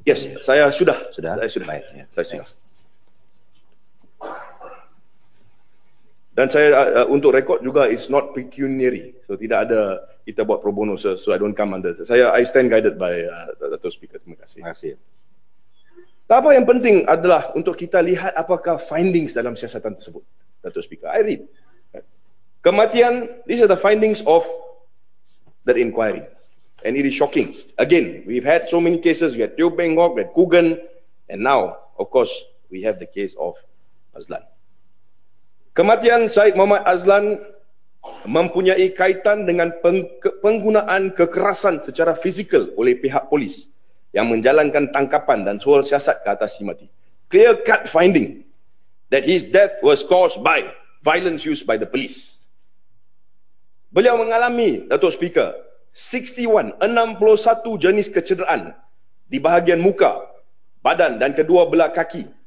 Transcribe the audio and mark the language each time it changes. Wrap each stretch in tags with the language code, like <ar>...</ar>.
<ms>Yes, saya sudah. Sudah? Saya sudah. Baik. Ya. Saya sudah. Dan saya untuk rekod juga,</ms> <en>it's not pecuniary.</en> <ms>So tidak ada kita buat pro bono,</ms> <en>so I don't come under. I stand guided by Dato' Speaker.</en> <ms>Terima kasih. Terima kasih. Apa yang penting adalah untuk kita lihat apakah findings dalam siasatan tersebut, Dato' Speaker.</ms> <en>I read. Kematian, these are the findings of that inquiry. And it is shocking. Again, we've had so many cases. We had Teo Beng Ngoc, we had Coogan. And now, of course, we have the case of Azlan.</en> <ms>Kematian Syed Muhammad Azlan mempunyai kaitan dengan penggunaan kekerasan secara fizikal oleh pihak polis yang menjalankan tangkapan dan soal siasat ke atas si mati.</ms> <en>Clear cut finding that his death was caused by violence used by the police.</en> <ms>Beliau mengalami, Dato' Speaker, 61 jenis kecederaan di bahagian muka, badan dan kedua belah kaki.</ms>